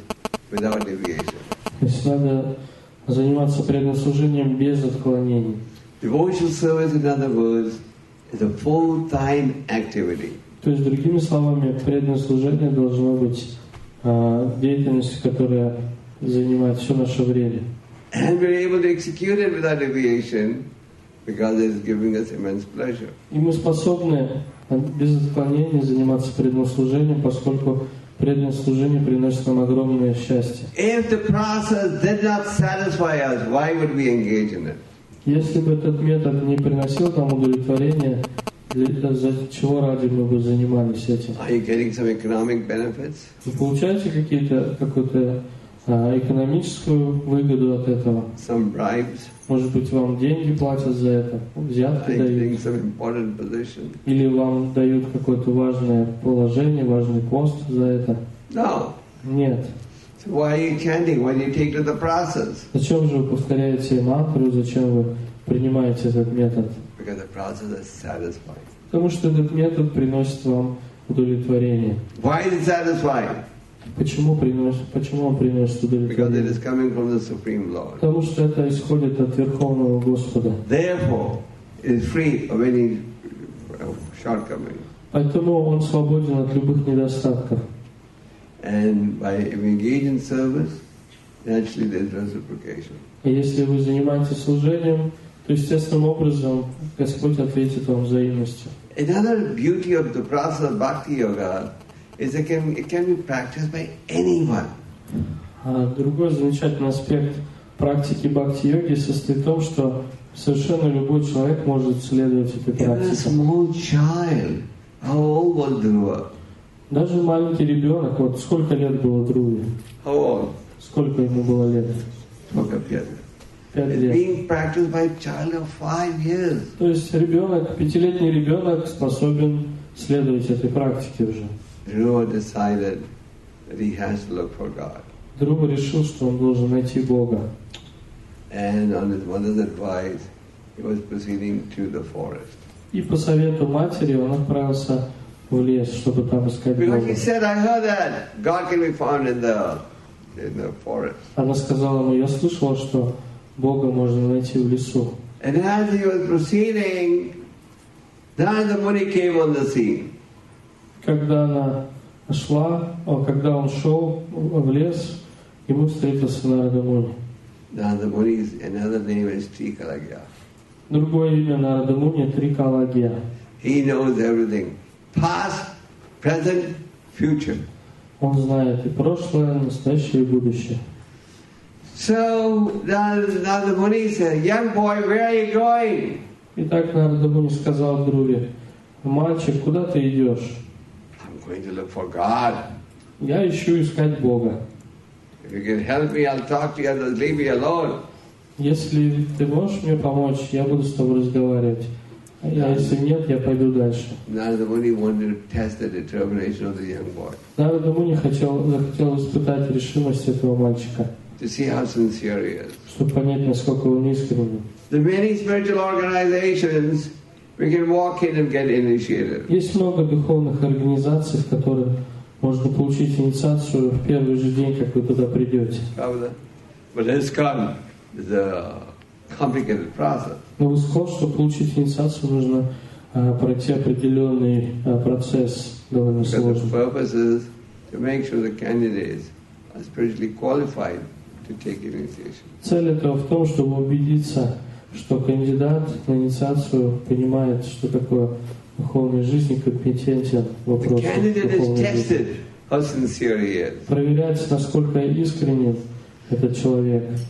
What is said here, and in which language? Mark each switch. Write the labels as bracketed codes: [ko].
[ru] То есть надо заниматься преданным служением без отклонений. [en] Devotional service, in other words, is a full-time activity. [ru] То есть, другими словами, преданное служение должно быть деятельностью, которая занимает все наше время. [en] And we're able to execute it without deviation because it's giving us immense pleasure. [ru] И мы способны без отклонения заниматься преданным служением, поскольку преданное служение приносит нам огромное счастье. [en] If the process did not satisfy us, why would we engage in it? [ru] Если бы этот метод не приносил нам удовлетворения, за чего ради мы бы занимались этим? [en] Are you getting some economic benefits? [ru] Вы получаете какую-то экономическую выгоду от этого? [en] Some bribes? [ru] Может быть, вам деньги платят за это, взятки дают? [en] Are you getting some important position? [ru] Или вам дают какое-то важное положение, важный пост за это? [en] No. [ru] Нет. [en] So why are you chanting? Why do you take to the process? [ru] Зачем же вы повторяете мантру? Зачем вы принимаете этот метод? [en] Because the process is satisfying. [ru] Потому что этот метод приносит вам удовлетворение. [en] Why is it satisfying? [ru] Почему он приносит удовлетворение? [en] Because it is coming from the Supreme Lord. [ru] Потому что это исходит от Верховного Господа. [en] Therefore, it is free of any shortcoming. [ru] Поэтому он свободен от любых недостатков. [en] And by engaging in service, naturally there is reciprocation. [ru] И если вы занимаетесь служением, то естественным образом Господь ответит вам взаимностью. [en] Another beauty of the process of bhakti yoga is it can be practiced by anyone. [ru] Другой замечательный аспект практики бхакти йоги состоит в том, что совершенно любой человек может следовать этой практике. [en] Even a small child, how old was Dhruva? [ru] Даже маленький ребенок, вот сколько лет было Дхруве? [en] How old? [ru] Сколько ему было лет? Сколько лет? [en] It's being practiced by a child of 5 years. [ru] То есть ребенок, пятилетний ребенок способен следовать этой практике уже. [en] Dhruva decided that he has to look for God. [ru] Dhruva решил, что он должен найти Бога. [en] And on his mother's advice, he was proceeding to the forest. [ru] И по совету матери он отправился в лес, чтобы там искать Бога. [en] Because he said, I heard that God can be found in the forest. [ru] Она сказала ему, я слышала, что Бога можно найти в лесу. [en] And as he was proceeding, then the money came on the scene. [ru] Когда она шла, когда он шел в лес, ему встретился Нарадамуни. [en] Нарадамуни is another name is Трикалагья. [ru] Другое имя Нарадамуни Трикалагья. [en] He knows everything. Past, present, future. [ru] Он знает и прошлое, и настоящее, и будущее. [en] So Narada Muni said, "Young boy, where are you going?" [ru] Итак, Narada Muni сказал Друве, "Мальчик, куда ты идешь?" [en] "I'm going to look for God." [ru] Я ищу искать Бога. [en] "If you can help me, I'll talk to you and leave me alone." [ru] Если ты можешь мне помочь, я буду с тобой разговаривать. А если нет, я пойду дальше. [en] Narada Muni wanted to test the determination of the young boy. [ru] Narada Muni захотел испытать решимость этого мальчика. [en] To see how sincere he is. [ru] Чтобы понять, насколько он искренен. [en] The many spiritual organizations we can walk in and get initiated. [ru] Есть много духовных организаций, в которых можно получить инициацию в первый же день, как вы туда придете. Правда? [en] But ISKCON is a complicated process. [ru] Но в ISKCON, чтобы получить инициацию, нужно пройти определенный процесс довольно сложный. [en] The purpose is to make sure the candidates are spiritually qualified. to take initiation. [ru] Цель это в том, чтобы убедиться, что кандидат на инициацию понимает, что такое духовная жизнь и компетентен в вопросах духовной жизни. Проверяется, насколько искренен этот человек.